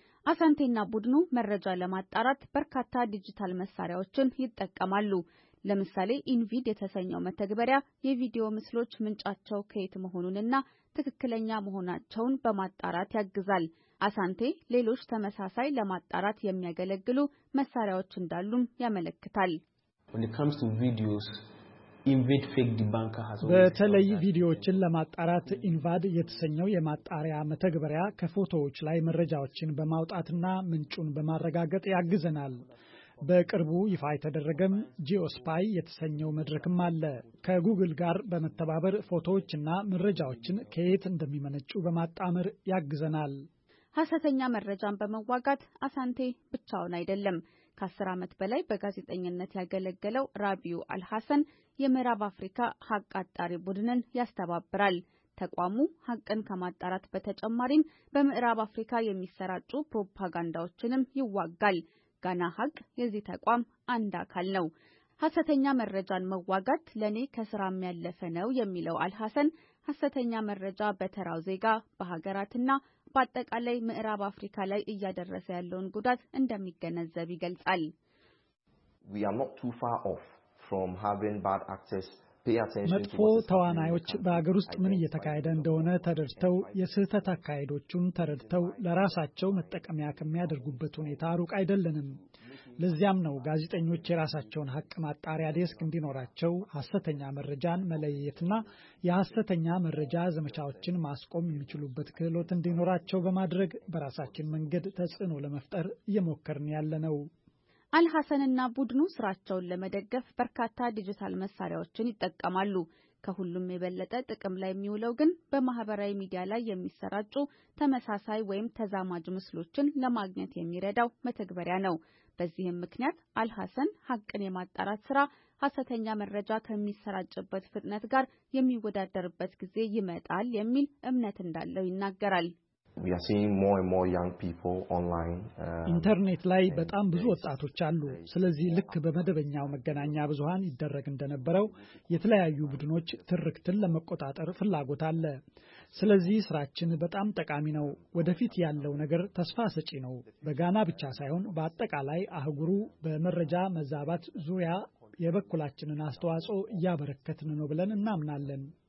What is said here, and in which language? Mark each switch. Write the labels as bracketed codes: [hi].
[am] አሳንቴና ቡድኑ መረጃ ለማጣራት በርካታ ዲጂታል መሳሪያዎችን ይጠቀማሉ። ለምሳሌ ኢንቪድ የተሰኘው መተግበሪያ የቪዲዮ ምስሎች ምንጫቸው ከየት መሆኑንና ትክክለኛ መሆናቸውን በማጣራት ያግዛል። አሳንቴ ሌሎች ተመሳሳይ ለማጣራት የሚያገለግሉ መሳሪያዎች እንዳሉም ያመለክታል። [en] When it comes to videos, Invade Fake Debunker has [am] በተለይ ቪዲዮዎችን ለማጣራት ኢንቫድ የተሰኘው የማጣሪያ መተግበሪያ ከፎቶዎች ላይ መረጃዎችን በማውጣትና ምንጩን በማረጋገጥ ያግዘናል። በቅርቡ ይፋ የተደረገም ጂኦስፓይ የተሰኘው መድረክም አለ። ከጉግል ጋር በመተባበር ፎቶዎችና መረጃዎችን ከየት እንደሚመነጩ በማጣመር ያግዘናል። ሐሰተኛ መረጃን በመዋጋት አሳንቴ ብቻውን አይደለም። ከ10 ዓመት በላይ በጋዜጠኝነት ያገለገለው ራቢዩ አልሐሰን የምዕራብ አፍሪካ ሐቅ አጣሪ ቡድንን ያስተባብራል። ተቋሙ ሐቅን ከማጣራት በተጨማሪም በምዕራብ አፍሪካ የሚሰራጩ ፕሮፓጋንዳዎችንም ይዋጋል። ጋና ሐቅ የዚህ ተቋም አንድ አካል ነው። ሐሰተኛ መረጃን መዋጋት ለኔ ከስራም ያለፈ ነው የሚለው አልሐሰን ሐሰተኛ መረጃ በተራው ዜጋ በሀገራትና በአጠቃላይ ምዕራብ አፍሪካ ላይ እያደረሰ ያለውን ጉዳት እንደሚገነዘብ ይገልጻል። [en] We are not too far off from having bad actors. [am] መጥፎ ተዋናዮች በአገር ውስጥ ምን እየተካሄደ እንደሆነ ተረድተው የስህተት አካሄዶቹን ተረድተው ለራሳቸው መጠቀሚያ ከሚያደርጉበት ሁኔታ ሩቅ አይደለንም። ለዚያም ነው ጋዜጠኞች የራሳቸውን ሐቅ ማጣሪያ ዴስክ እንዲኖራቸው ሐሰተኛ መረጃን መለየትና የሐሰተኛ መረጃ ዘመቻዎችን ማስቆም የሚችሉበት ክህሎት እንዲኖራቸው በማድረግ በራሳችን መንገድ ተጽዕኖ ለመፍጠር እየሞከርን ያለነው። አልሐሰንና ቡድኑ ስራቸውን ለመደገፍ በርካታ ዲጂታል መሳሪያዎችን ይጠቀማሉ። ከሁሉም የበለጠ ጥቅም ላይ የሚውለው ግን በማህበራዊ ሚዲያ ላይ የሚሰራጩ ተመሳሳይ ወይም ተዛማጅ ምስሎችን ለማግኘት የሚረዳው መተግበሪያ ነው። በዚህም ምክንያት አልሐሰን ሀቅን የማጣራት ስራ ሐሰተኛ መረጃ ከሚሰራጭበት ፍጥነት ጋር የሚወዳደርበት ጊዜ ይመጣል የሚል እምነት እንዳለው ይናገራል። [en] We are seeing more and more young people online. [am] ኢንተርኔት ላይ በጣም ብዙ ወጣቶች አሉ። ስለዚህ ልክ በመደበኛው መገናኛ ብዙሃን ይደረግ እንደነበረው የተለያዩ ቡድኖች ትርክትን ለመቆጣጠር ፍላጎት አለ። ስለዚህ ስራችን በጣም ጠቃሚ ነው። ወደፊት ያለው ነገር ተስፋ ሰጪ ነው። በጋና ብቻ ሳይሆን በአጠቃላይ አህጉሩ በመረጃ መዛባት ዙሪያ የበኩላችንን አስተዋጽኦ ያበረከትን ነው ብለን እናምናለን።